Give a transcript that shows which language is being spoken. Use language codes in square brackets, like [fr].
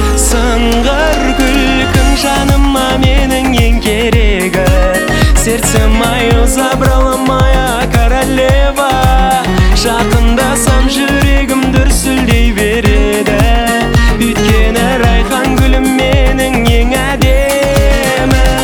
[kk] Сыңғыр күлкің жаныма менің ең керегі. [ru] Сердце мое забрала моя королева. [kk] Жақындасам жүрегім дүрсілдей береді. Өйткені райхан гүлім менің ең әдемі.